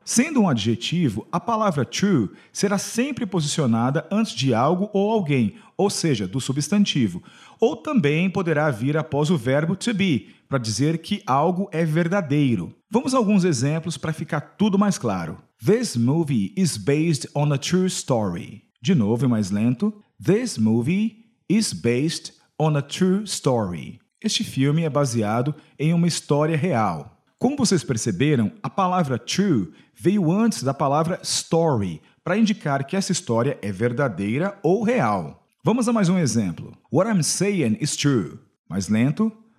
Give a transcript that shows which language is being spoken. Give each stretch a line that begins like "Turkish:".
Portuguese: Sendo um adjetivo, a palavra true será sempre posicionada antes de algo ou alguém, ou seja, do substantivo. Ou também poderá vir após o verbo to be, para dizer que algo é verdadeiro. Vamos a alguns exemplos para ficar tudo mais claro.
English: This movie is based on a true story.
Portuguese: De novo e mais lento.
English: This movie is based on a true story.
Portuguese: Este filme é baseado em uma história real. Como vocês perceberam, a palavra true veio antes da palavra story, para indicar que essa história é verdadeira ou real. Vamos a mais um exemplo.
English: What I'm saying is true.
Portuguese: Mais lento.